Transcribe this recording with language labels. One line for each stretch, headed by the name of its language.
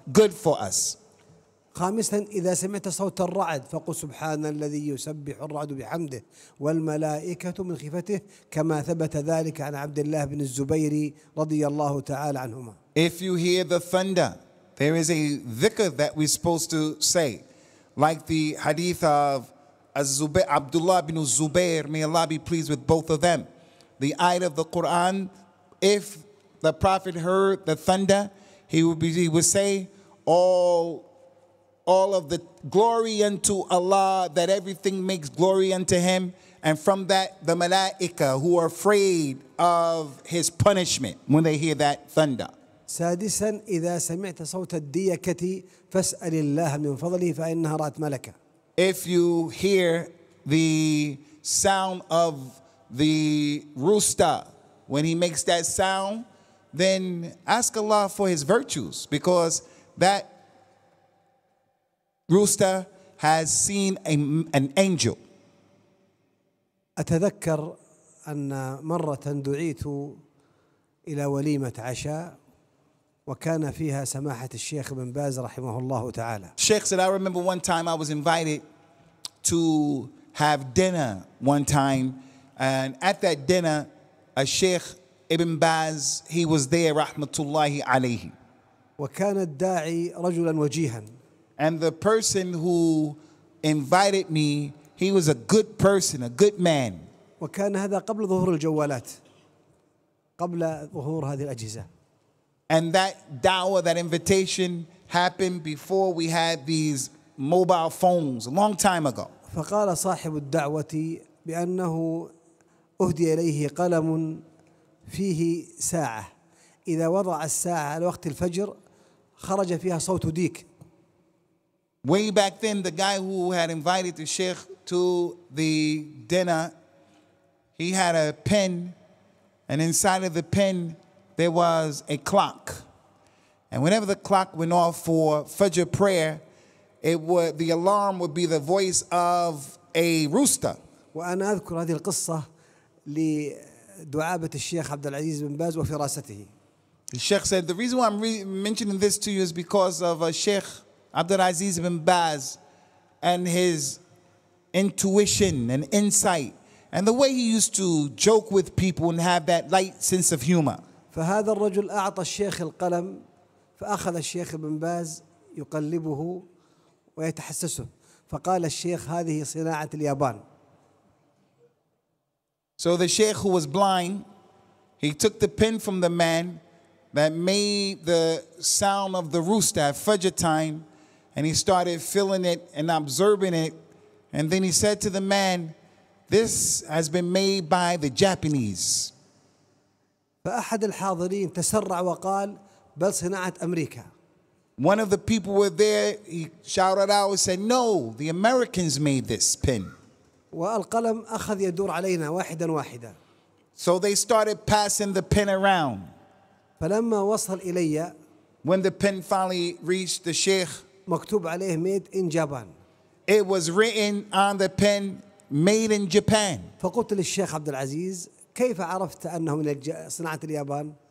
English: good for us.
Arabic: خامسا إذا سمعت صوت الرعد فقل سبحان الذي يسبح الرعد بحمده والملائكة من خفته كما ثبت ذلك عن عبد الله بن الزبير رضي الله تعالى عنهما.
English: If you hear the thunder, there is a dhikr that we're supposed to say, like the hadith of Abdullah bin Zubair, may Allah be pleased with both of them. The ayat of the Quran, if the Prophet heard the thunder, he would say, all of the glory unto Allah, that everything makes glory unto him. And from that, the malaika, who are afraid of his punishment when they hear that thunder.
Arabic: سادسا إذا سمعت صوت الديكة فاسأل الله من فضله فإنها رأت ملكا.
English: If you hear the sound of the rooster, when he makes that sound, then ask Allah for his virtues, because that rooster has seen an angel.
Arabic: أتذكر أن مرة دعيت إلى وليمة عشاء وكان فيها سماحة الشيخ بن باز رحمه الله تعالى.
English: Sheikh said, I remember one time I was invited to have dinner one time, and at that dinner, a Sheikh Ibn Baz, he was there, rahmatullahi alayhi.
Arabic: وكان الداعي رجلا وجيها.
English: And the person who invited me, he was a good person, a good man.
Arabic: وكان هذا قبل ظهور الجوالات. قبل ظهور هذه الأجهزة.
English: And that da'wah, that invitation, happened before we had these mobile phones, a long time ago.
Arabic: فقال صاحب الدعوة بأنه أهدي إليه قلم فيه ساعة. إذا وضع الساعة على وقت الفجر خرج فيها صوت ديك.
English: Way back then, the guy who had invited the Sheikh to the dinner, he had a pen, and inside of the pen there was a clock. And whenever the clock went off for Fajr prayer, the alarm would be the voice of a rooster.
Arabic: وأنا أذكر هذه القصة لدعابة الشيخ عبد العزيز بن باز وفراسته.
English: The Sheikh said, the reason why I'm mentioning this to you is because of a Sheikh Abdul Aziz bin Baz and his intuition and insight and the way he used to joke with people and have that light sense of humor.
Arabic: فهذا الرجل أعطى الشيخ القلم فأخذ الشيخ بن باز يقلبه ويتحسسه فقال الشيخ هذه صناعة اليابان.
English: So the Sheikh, who was blind, he took the pen from the man that made the sound of the rooster at Fajr time, and he started feeling it and observing it, and then he said to the man, this has been made by the Japanese.
Arabic: فأحد الحاضرين تسرع وقال بل صناعة أمريكا.
English: One of the people were there, he shouted out and said, no, the Americans made this pen.
Arabic: والقلم أخذ يدور علينا واحدا واحدا.
English: So they started passing the pen around.
Arabic: فلما وصل إلي,
English: when the pen finally reached the Sheikh,
Arabic: مكتوب عليه
English: made in Japan. It was written on the pen, made in Japan.
Arabic: فقلت للشيخ عبد العزيز كيف عرفت أنه من صناعة اليابان؟